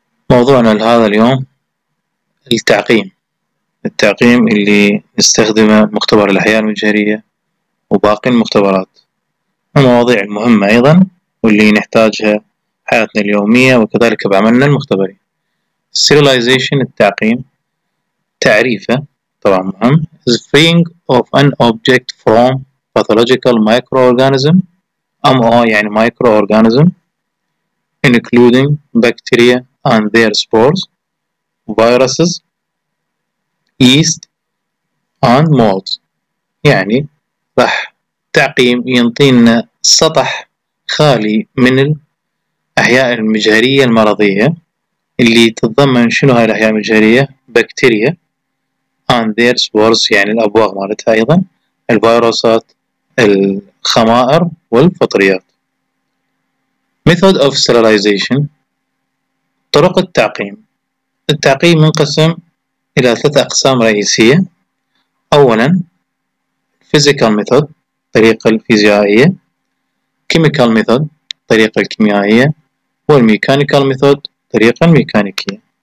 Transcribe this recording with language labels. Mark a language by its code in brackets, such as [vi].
[ar] موضوعنا لهذا اليوم التعقيم اللي نستخدمه مختبر الأحياء المجهرية وباقي المختبرات، المواضيع المهمة أيضا واللي نحتاجها حياتنا اليومية وكذلك بعملنا المختبري. [en] Serialization [ar] التعقيم، تعريفه طبعا مهم، [en] is freeing of an object from pathological microorganism MO [ar] يعني [en] microorganism including bacteria and their spores viruses yeast and molds. [ar] يعني راح تعقيم ينطينا سطح خالي من الأحياء المجهرية المرضية اللي تتضمن شنو هاي الأحياء المجهرية؟ بكتيريا [en] and their spores [ar] يعني الأبواغ مالتها، أيضا الفيروسات، الخمائر والفطريات. [en] Method of sterilization [ar] طرق التعقيم. التعقيم منقسم إلى ثلاث أقسام رئيسية. أولا [en] physical method [ar] الطريقة الفيزيائية، [en] chemical method [ar] الطريقة الكيميائية، والميكانيكال ميثود الطريقة الميكانيكية.